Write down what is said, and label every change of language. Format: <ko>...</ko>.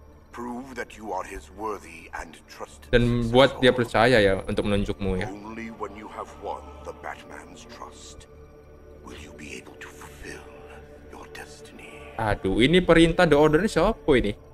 <en>Prove that you are his worthy and trusted.</en> <id>Dan buat dia percaya ya untuk menunjukmu ya.</id> <en>Only when you have won the Batman's trust will you be able to fulfill your destiny.</en> <id>Aduh, ini perintah The Order ini siapa ini?</id>